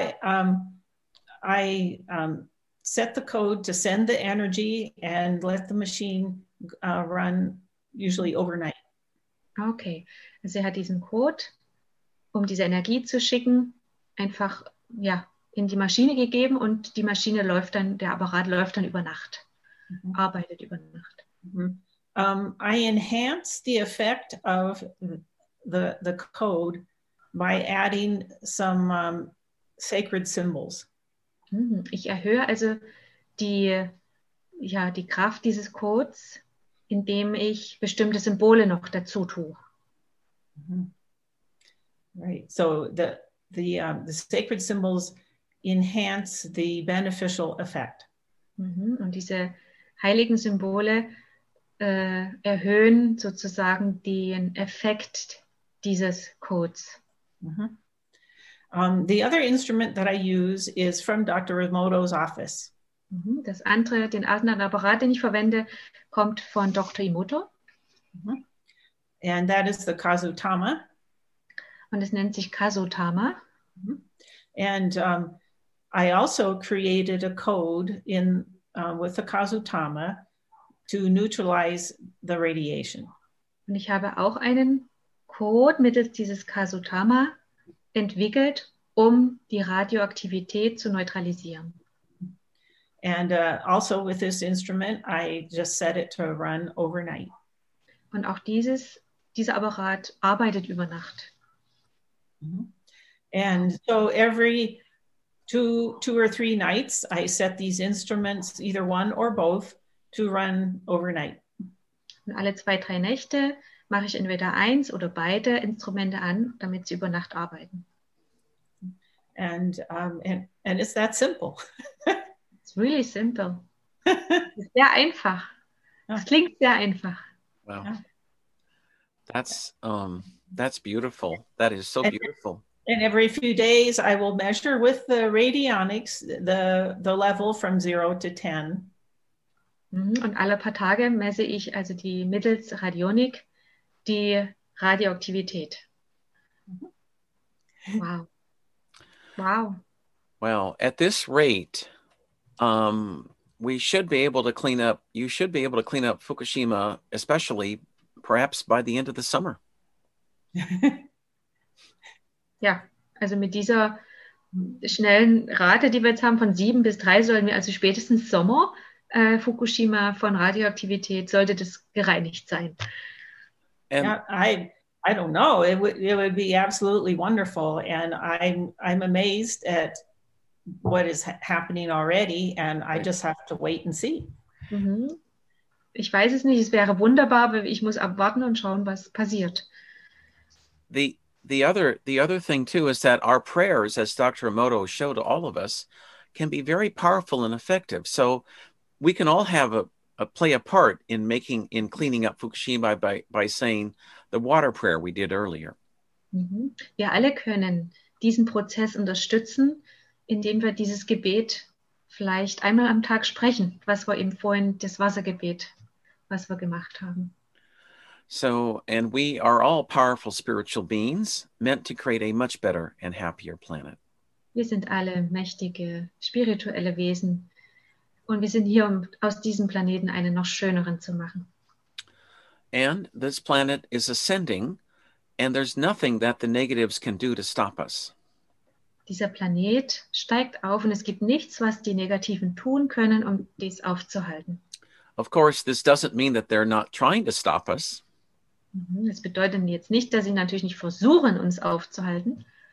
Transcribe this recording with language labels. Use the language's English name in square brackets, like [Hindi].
[English] And so I set the code to send the energy and let the machine run usually overnight. [German] Okay, also sie hat diesen Code, um diese Energie zu schicken, einfach ja in die Maschine gegeben und die Maschine läuft dann, der Apparat läuft dann über Nacht, arbeitet über Nacht. [English] I enhanced the effect of the code by adding some sacred symbols. [German] Ich erhöhe also die Kraft dieses Codes. indem ich bestimmte Symbole noch dazu tue. [English] Right. So the sacred symbols enhance the beneficial effect. [German] Und diese heiligen Symbole erhöhen sozusagen den Effekt dieses Codes. [English] The other instrument that I use is from Dr. Emoto's office. [German] Das andere, den anderen Apparat, den ich verwende, kommt von Dr. Emoto. [English] And that is the Kazutama. [German] Und es nennt sich Kazutama. [English] And I also created a code in with the Kazutama to neutralize the radiation. [German] Und ich habe auch einen Code mittels dieses Kazutama entwickelt, um die Radioaktivität zu neutralisieren. [English] And also with this instrument, I just set it to run overnight. [German] Und auch dieser Apparat arbeitet über Nacht. [English] And so every two or three nights, I set these instruments, either one or both, to run overnight. [German] Und alle zwei, drei Nächte mache ich entweder eins oder beide Instrumente an, damit sie über Nacht arbeiten. [English] And it's that simple. It's really simple. It's [German] sehr einfach. Es klingt sehr einfach. [English] Wow. That's beautiful. That is so beautiful. And every few days I will measure with the radionics the level from 0 to 10. [German] Und alle paar Tage messe ich also die mittels Radionik die Radioaktivität. [English] Wow. Wow. Well, at this rate, you should be able to clean up Fukushima, especially perhaps by the end of the summer. [German] Ja, also mit dieser schnellen Rate, die wir jetzt haben von 7 bis 3, sollen wir also spätestens Sommer Fukushima von Radioaktivität, sollte das gereinigt sein. [English] I don't know. It would be absolutely wonderful, and I'm amazed at what is happening already, and I just have to wait and see. [German] Ich weiß es nicht. Es wäre wunderbar, aber ich muss abwarten und schauen, was passiert. [English] The other thing too is that our prayers, as Dr. Emoto showed all of us, can be very powerful and effective. So we can all have a play a part in making in cleaning up Fukushima by saying the water prayer we did earlier. [German] Wir alle können diesen Prozess unterstützen, indem wir dieses Gebet vielleicht einmal am Tag sprechen, was wir eben vorhin das Wassergebet, was wir gemacht haben. [English] So, and we are all powerful spiritual beings meant to create a much better and happier planet. [German] Wir sind alle mächtige spirituelle Wesen und wir sind hier, um aus diesem Planeten einen noch schöneren zu machen. [English] And this planet is ascending, and there's nothing that the negatives can do to stop us. [German] Dieser Planet steigt auf und es gibt nichts, was die Negativen tun können, um dies aufzuhalten. [English] Of course, this doesn't mean that they're not trying to stop us. [German] Das bedeutet jetzt nicht, dass sie natürlich nicht versuchen, uns aufzuhalten.